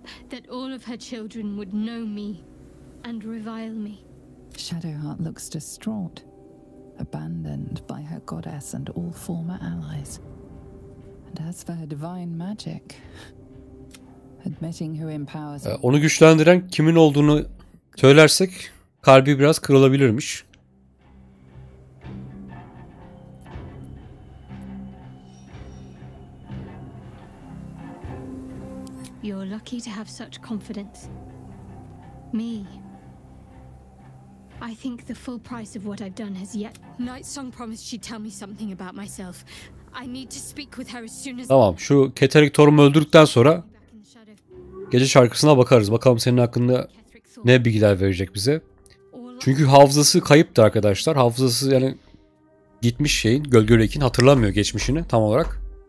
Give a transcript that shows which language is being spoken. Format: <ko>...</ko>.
<en>That all of her children would know me and revile me. Shadowheart looks distraught, abandoned by her goddess and all former allies. And as for her divine magic, admitting who empowers her.</en> <tr>Onu güçlendiren kimin olduğunu söylersek kalbi biraz kırılabilirmiş.</tr> <en>You're lucky to have such confidence. Me. I think the full price of what I've done has yet. Night Song promised she'd tell me something about myself. I need to speak with her as soon as.</en> <tr>Tamam, şu Keterek Thorn'u öldürdükten sonra gece şarkısına bakarız. Bakalım senin hakkında ne bilgiler verecek bize. Çünkü hafızası kayıptı arkadaşlar. Hafızası yani gitmiş şeyin, gölgelekin hatırlamıyor geçmişini tam olarak.</tr>